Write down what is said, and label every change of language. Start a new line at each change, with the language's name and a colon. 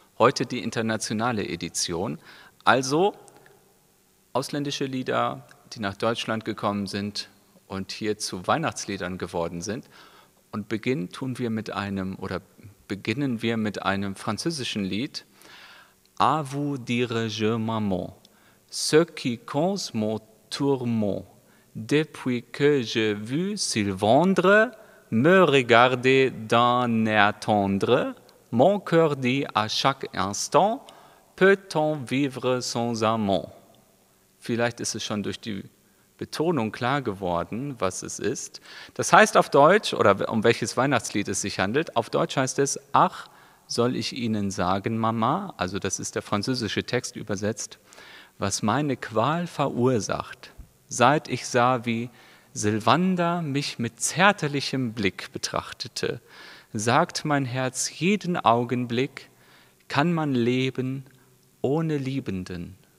German: Heute die internationale Edition. Also ausländische Lieder, die nach Deutschland gekommen sind und hier zu Weihnachtsliedern geworden sind. Und beginnen wir mit einem französischen Lied.
French: À vous dirai-je, maman, ce qui cause mon tourment, depuis que j'ai vu Sylvandre me regarder d'un air tendre, mon cœur dit à chaque instant, peut-on vivre sans amant?
German: Vielleicht ist es schon durch die Betonung klar geworden, was es ist. Das heißt auf Deutsch, oder um welches Weihnachtslied es sich handelt, auf Deutsch heißt es, ach, soll ich Ihnen sagen, Mama, also das ist der französische Text übersetzt, was meine Qual verursacht, seit ich sah, wie Silvanda mich mit zärtlichem Blick betrachtete, sagt mein Herz jeden Augenblick, kann man leben ohne Liebenden.